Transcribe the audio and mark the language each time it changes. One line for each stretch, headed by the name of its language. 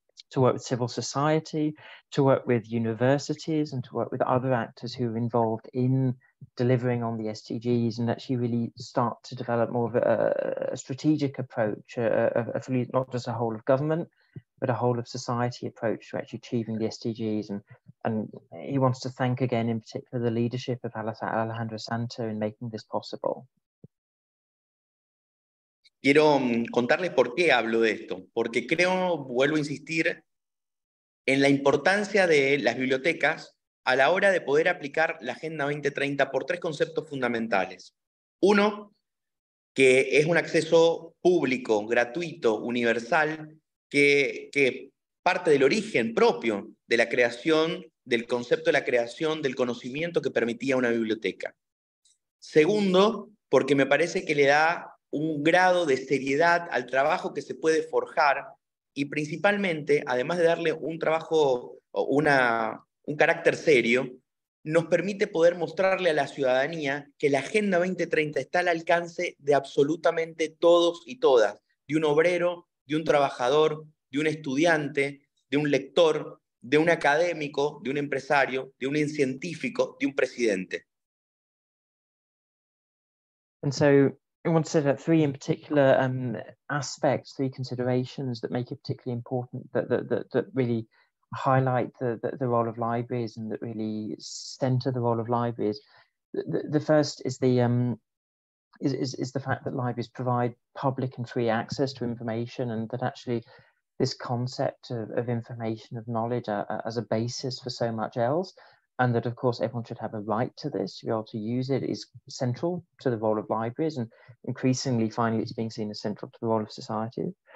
English: to work with civil society, to work with universities, and to work with other actors who are involved in delivering on the SDGs, and actually really start to develop more of a strategic approach, not just a whole of government, but a whole of society approach to actually achieving the SDGs. And he wants to thank again, in particular, the leadership of Alejandro Santa in making this possible.
Spanish: Quiero contarles por qué hablo de esto, porque creo, vuelvo a insistir, en la importancia de las bibliotecas a la hora de poder aplicar la Agenda 2030 por tres conceptos fundamentales. Uno, que es un acceso público, gratuito, universal, que parte del origen propio de la creación, del concepto de la creación del conocimiento que permitía una biblioteca. Segundo, porque me parece que le da un grado de seriedad al trabajo que se puede forjar y principalmente, además de darle un trabajo o un carácter serio, nos permite poder mostrarle a la ciudadanía que la Agenda 2030 está al alcance de absolutamente todos y todas, de un obrero, de un trabajador, de un estudiante, de un lector, de un académico, de un empresario, de un científico, de un presidente.
English: And so I want to say that three in particular aspects, three considerations that make it particularly important, that really highlight the role of libraries and that really center the role of libraries. The first is the fact that libraries provide public and free access to information, and that actually this concept of information, of knowledge as a basis for so much else, and that of course everyone should have a right to this, to be able to use it, is central to the role of libraries, and increasingly finally it's being seen as central to the role of society.